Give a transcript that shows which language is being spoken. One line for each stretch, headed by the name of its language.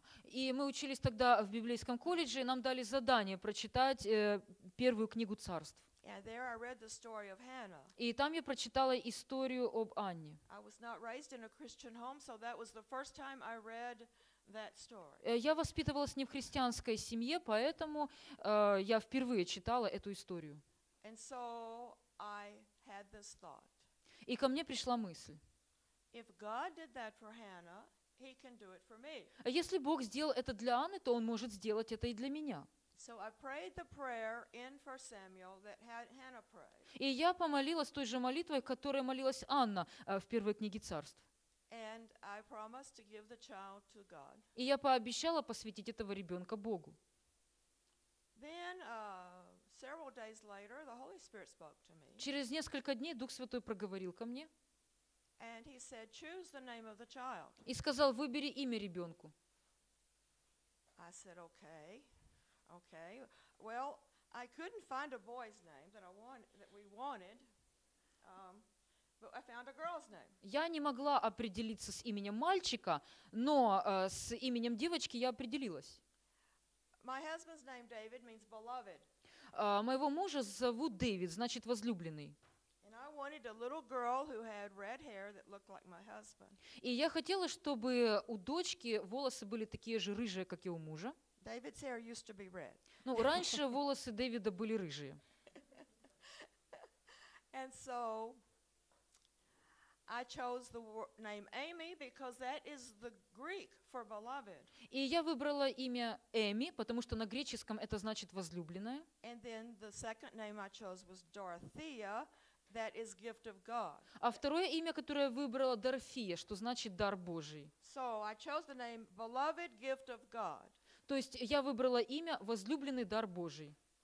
Russian: И мы учились тогда в библейском колледже, и нам дали задание прочитать первую книгу царств.
English: And there I read the story of Hannah.
Russian: И там я прочитала историю об Анне.
English: I was not raised in a Christian home, so that was the first time I read that story.
Russian: Я воспитывалась не в христианской семье, поэтому я впервые читала эту историю.
English: And so I had this thought.
Russian: И ко мне пришла мысль.
English: If God did that for Hannah, he can do it for me.
Russian: Если Бог сделал это для Анны, то он может сделать это и для меня.
English: So I prayed the prayer in 1 Samuel that Hannah prayed.
Russian: И я помолилась той же молитвой, которой молилась Анна в первой книге царств.
English: And I promised to give the child to God.
Russian: И я пообещала посвятить этого ребенка Богу.
English: Then several days later the Holy Spirit spoke to me.
Russian: Через несколько дней Дух Святой проговорил ко мне.
English: And he said, choose the name of the child.
Russian: И сказал, выбери имя ребенку.
English: I said, okay. Okay. Well, I couldn't find a boy's name that we wanted. But I found a girl's name.
Russian: Я не могла определиться с именем мальчика, но с именем девочки я определилась.
English: My husband's name David means beloved.
Russian: Моего мужа зовут Дэвид, значит возлюбленный.
English: And I wanted a little girl who had red hair that looked like my husband.
Russian: И я хотела, чтобы у дочки волосы были такие же рыжие, как и у мужа.
English: David's hair used to be red.
Russian: Ну, раньше волосы Дэвида были рыжие.
English: And so I chose the name Amy because that is the Greek for beloved.
Russian: И я выбрала имя Эми, потому что на греческом это значит возлюбленная.
English: And then the second name I chose was Dorothea, that is gift of God.
Russian: А второе имя, которое выбрала, Дорофея, что значит дар Божий.
English: So I chose the name beloved gift of God.
Russian: То есть я выбрала имя «Возлюбленный дар Божий».